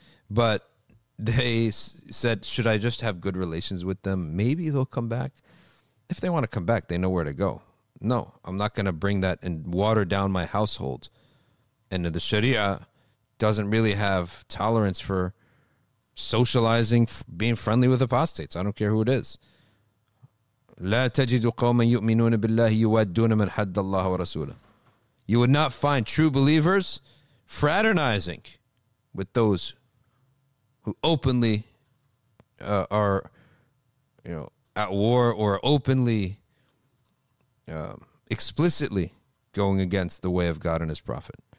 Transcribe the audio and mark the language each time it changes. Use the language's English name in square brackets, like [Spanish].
[English] But they said, should I just have good relations with them? Maybe they'll come back. If they want to come back, they know where to go. No, I'm not going to bring that and water down my household. And the Sharia doesn't really have tolerance for socializing, being friendly with apostates. I don't care who it is. [Arabic] لا تجد قوما يؤمنون بالله يودون من حد الله ورسوله. [English] You would not find true believers fraternizing with those who openly are, you know, at war or openly, explicitly going against the way of God and His Prophet.